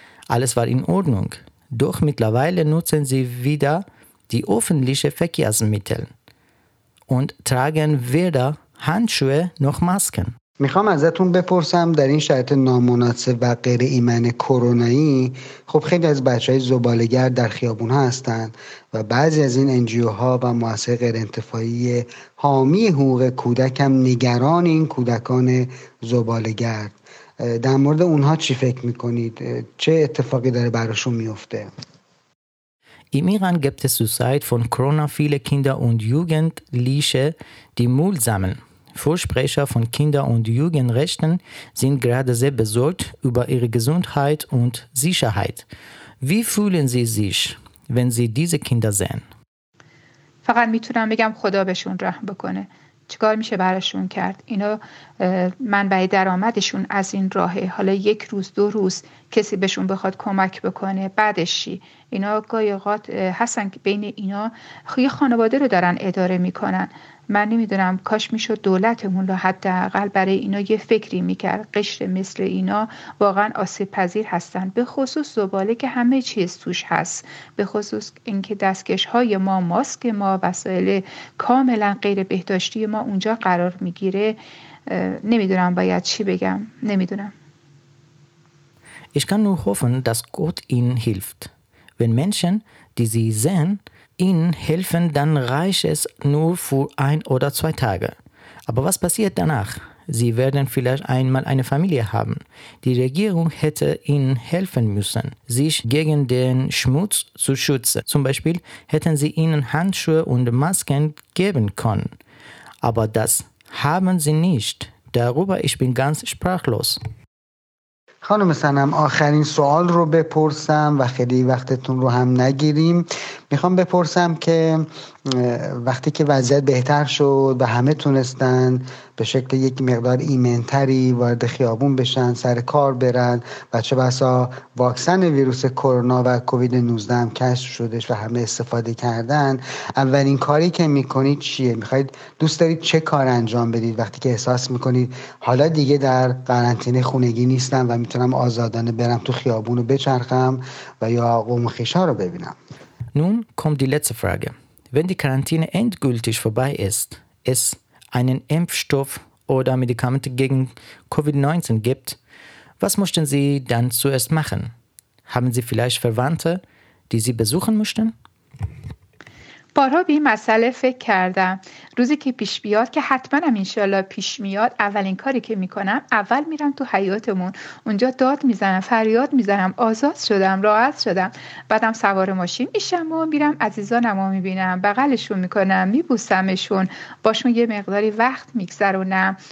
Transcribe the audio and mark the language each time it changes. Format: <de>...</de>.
<de>Alles war in Ordnung. Doch mittlerweile nutzen sie wieder die öffentlichen Verkehrsmittel und tragen weder Handschuhe noch Masken.</de> <fa>میخوام ازتون بپرسم در این شرایط نامناسب و غیر ایمن کرونایی، خب خیلی از بچه های زباله‌گر در خیابون ها هستن و بعضی از این انجیو ها و مؤسسه غیر انتفاعی حامی حقوق کودک هم نگران این کودکان زباله‌گر، در مورد اونها چی فکر میکنید؟ چه اتفاقی داره براشون میفته؟</fa> <de>Im Iran gibt es zurzeit von Corona viele Kinder und Jugendliche, die Müll sammeln. Vorsprecher von Kinder- und Jugendrechten sind gerade sehr besorgt über ihre Gesundheit und Sicherheit. Wie fühlen Sie sich, wenn Sie diese Kinder sehen?</de> <fa>فقط میتونم بگم خدا بهشون رحم بکنه. چیکار میشه براشون کرد؟ اینا منبع درآمدشون از این راهه. حالا یک روز، دو روز، کسی بهشون بخواد کمک بکنه، بعدش چی؟ اینا گاهی اوقات هستن که بین اینا خیلی خانواده رو دارن اداره میکنن. من نمیدونم، کاش میشد دولتمون رو حداقل برای اینا یه فکری میکرد. قشر مثل اینا واقعا آسیب پذیر هستن، به خصوص زباله که همه چیز توش هست، به خصوص اینکه دستکش های ما، ماسک ما، وسایل کاملا غیر بهداشتی ما اونجا قرار میگیره. نمیدونم باید چی بگم، نمیدونم.</fa> <de>Ich kann nur hoffen, dass Gott ihnen hilft. Wenn Menschen, die sie sehen, ihnen helfen, dann reicht es nur für ein oder zwei Tage. Aber was passiert danach? Sie werden vielleicht einmal eine Familie haben. Die Regierung hätte ihnen helfen müssen, sich gegen den Schmutz zu schützen. Zum Beispiel hätten sie ihnen Handschuhe und Masken geben können. Aber das haben sie nicht. Darüber ich bin ganz sprachlos.</de> <fa>خانم سنم، آخرین سوال رو بپرسم و خیلی وقتتون رو هم نگیریم. میخوام بپرسم که وقتی که وضعیت بهتر شد و همه تونستن به شکل یک مقدار ایمنتری وارد خیابون بشن، سر کار برن و چه بسا واکسن ویروس کرونا و کووید 19 هم کشف شدش و همه استفاده کردن، اولین کاری که میکنید چیه؟ میخواید دوست دارید چه کار انجام بدید وقتی که احساس میکنید حالا دیگه در قرنطینه خونگی نیستم و میتونم آزادانه برم تو خیابون رو بچرخم و یا قوم خویشا رو ببینم؟</fa> <de>Nun kommt die letzte Frage. Wenn die Quarantäne endgültig vorbei ist, es einen Impfstoff oder Medikamente gegen Covid-19 gibt, was möchten Sie dann zuerst machen? Haben Sie vielleicht Verwandte, die Sie besuchen möchten?</de> <fa>بارها به این مسئله فکر کردم. روزی که پیش بیاد، که حتماً انشالله پیش میاد، اولین کاری که میکنم اول میرم تو حیاتمون، اونجا داد میزنم، فریاد میزنم، آزاد شدم، راحت شدم. بعدم سوار ماشین میشم و میرم عزیزانم رو میبینم، بغلشون میکنم، میبوسمشون، باشون یه مقداری وقت میگذرونم.</fa>